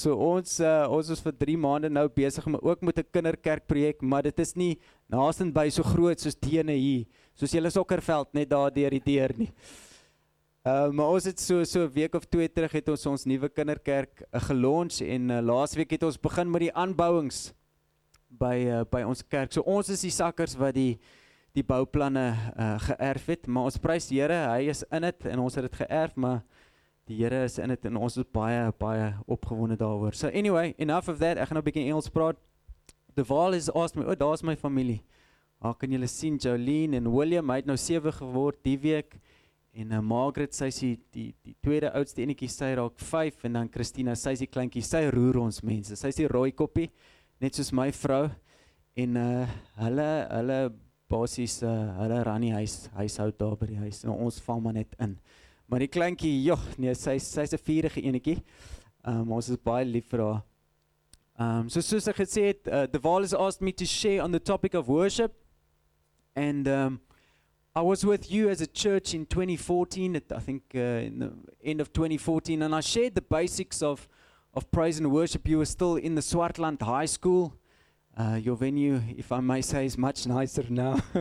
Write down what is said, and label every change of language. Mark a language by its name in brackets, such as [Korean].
[Afrikaans] So ons is vir 3 maande nou besig, maar ook met 'n kinderkerkprojek, maar dit is nie naastenby so groot soos Dene hier, soos julle sokkerveld net daar deur die deur nie. Maar ons het so 2 weke terug het ons nuwe kinderkerk gelaunch en laas week het ons begin met die aanbouwings by ons kerk. So ons is die sakkers wat die bouplanne geërf het, maar ons prys die Here, hy is in het en ons het dit geërf, maar die Here is in het en ons is baie, baie opgewonde daarover. [English] So anyway, enough of that, [Afrikaans] ek gaan nou bietjie Engels praat. De Waal [English] is asked me, [Afrikaans] oh daar is my familie. Ah, kan julle sien, Jolene en William, hy het nou 7 geword die week. En Margaret, sy is die tweede oudste enetjie, sy raak 5, en dan Christina, sy is die kleinkie, sy roer ons mense, sy is die rooi koppie, net soos my vrou, en hulle basis, hulle ran die huis hou daar by die huis, en ons val maar net in. Maar die kleinkie, joh, nee, sy is 'n vierige enetjie, ons is baie lief vir haar. Soos ek gesê het, [English] De Waal has asked me to share on the topic of worship, and I was with you as a church in 2014, I think in the end of 2014, and I shared the basics of praise and worship. You were still in the Swartland High School. Your venue, if I may say, is much nicer now.